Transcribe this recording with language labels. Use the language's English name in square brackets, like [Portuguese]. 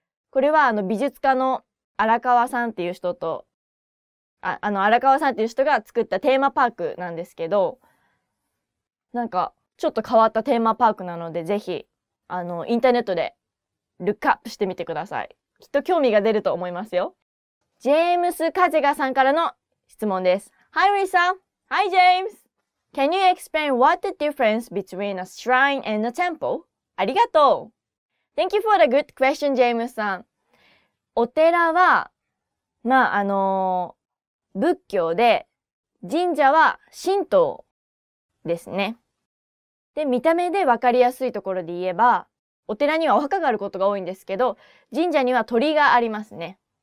[Japanese] これは美術家の荒川さんっていう人と、荒川さんっていう人が作ったテーマパークなんですけど、なんかちょっと変わったテーマパークなので、ぜひインターネットでルックアップしてみてください。きっと興味が出ると思いますよ。ジェームス・カゼガさんからの質問です。 [English] Hi, Risa! Hi, James! Can you explain what the difference between a shrine and a temple? [Japanese] ありがとう。 [English] Thank you for the good question, James さん。 [Japanese] お寺は、仏教で、神社は神道ですね。で、見た目で分かりやすいところで言えば、お寺にはお墓があることが多いんですけど、神社には鳥がありますね。